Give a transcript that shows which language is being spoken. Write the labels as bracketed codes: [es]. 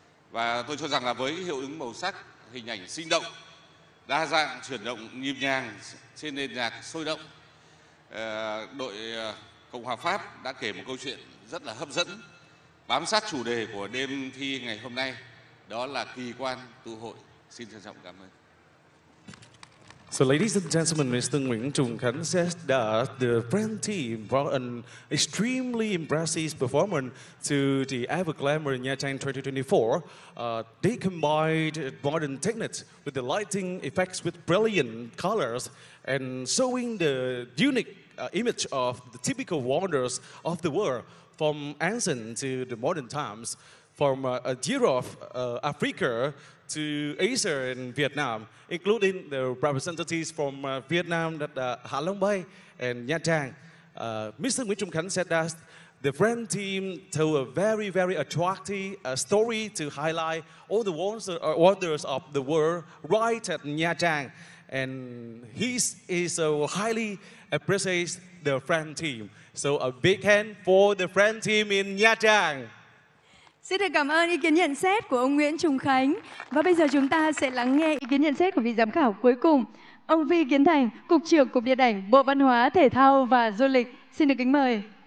[vi] Và tôi cho rằng là với hiệu ứng màu sắc, hình ảnh sinh động, đa dạng, chuyển động nhịp nhàng trên nền nhạc sôi động, đội Cộng hòa Pháp đã kể một câu chuyện rất là hấp dẫn, bám sát chủ đề của đêm thi ngày hôm nay, đó là kỳ quan tụ hội. Xin trân trọng cảm ơn. [en] So ladies and gentlemen, Mr. Nguyễn Trùng Khánh says that the friend team brought an extremely impressive performance to the Ever Glamour Nha Trang 2024. They combined modern techniques with the lighting effects with brilliant colors and showing the unique image of the typical wonders of the world from ancient to the modern times, from Europe, Africa, to Asia and Vietnam, including the representatives from Vietnam at Ha Long Bay and Nha Trang. Mr. Nguyễn Trung Khánh said that the friend team told a very, very attractive story to highlight all the wonders of the world right at Nha Trang. And he is highly appreciates the friend team. So a big hand for the friend team in Nha Trang. [vi] Xin được cảm ơn ý kiến nhận xét của ông Nguyễn Trùng Khánh. Và bây giờ chúng ta sẽ lắng nghe ý kiến nhận xét của vị giám khảo cuối cùng, ông Vi Kiến Thành, Cục trưởng Cục Điện ảnh, Bộ Văn hóa, Thể thao và Du lịch. Xin được kính mời.